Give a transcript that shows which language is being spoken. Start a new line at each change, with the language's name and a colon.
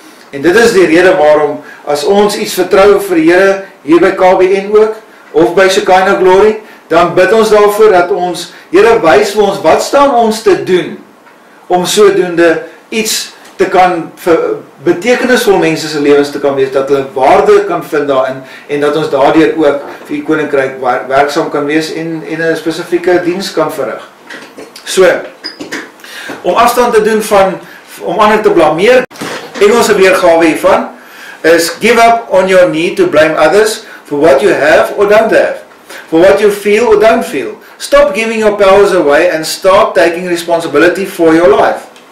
Afrikaans: En dit is die rede waarom as ons iets vertrou vir die Here hier by KBN ook of by Shekinah Glory, dan bid ons daarvoor dat ons Here wys vir ons wat staan ons te doen om sodoende iets te kan vir betekenisvol mense se lewens te kan wees, dat hulle waarde kan vind daarin en dat ons daardeur ook vir die koninkryk werksaam kan wees en 'n spesifieke diens kan verrig. So om afstand te doen van om ander te blameer. Engelse weergawe hiervan is
English: give up on your need to blame others for what you have or don't have, for what you feel or don't feel. Stop giving your powers away and stop taking responsibility for your life.